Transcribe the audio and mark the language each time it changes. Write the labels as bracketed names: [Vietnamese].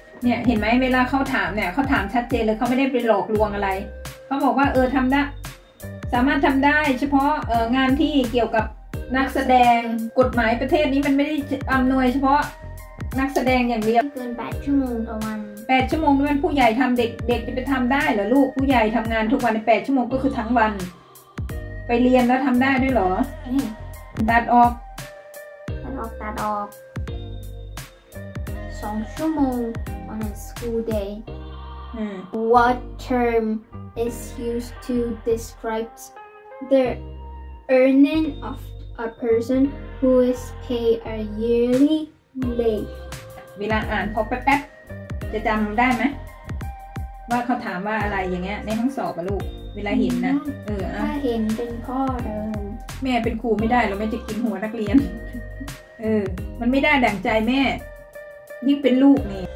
[Thai] เนี่ยเห็นไหมเวลาเขาถามเนี่ยเขาถามชัดเจนเลยเขาไม่ได้ไปหลอกลวงอะไรเขาบอกว่าเออทำได้สามารถทำได้เฉพาะงานที่เกี่ยวกับนักแสดงกฎหมายประเทศนี้มันไม่ได้อำนวยเฉพาะนักแสดงอย่างเดียว เกิน8ชั่วโมงต่อวัน 8ชั่วโมงนี่มันผู้ใหญ่ทำเด็กจะไปทำได้เหรอลูกผู้ใหญ่ทำงานทุกวันใน8ชั่วโมงก็คือทั้งวันไปเรียนแล้วทำได้ด้วยเหรอตัดออก [English] 2ชั่วโมง on a school day what termis used to describe the earning of a person who is paid a yearly wage [Thai] เวลาอ่านพอแป๊บๆจะจำได้ไหมว่าเขาถามว่าอะไรอย่างเงี้ยในห้องสอบอะลูกเวลาเห็นนะ เออถ้าเห็นเป็นข้อเดิม แม่เป็นครูไม่ได้เราไม่จะกินหัวนักเรียนเออมันไม่ได้ดั่งใจแม่ยิ่งเป็นลูกนี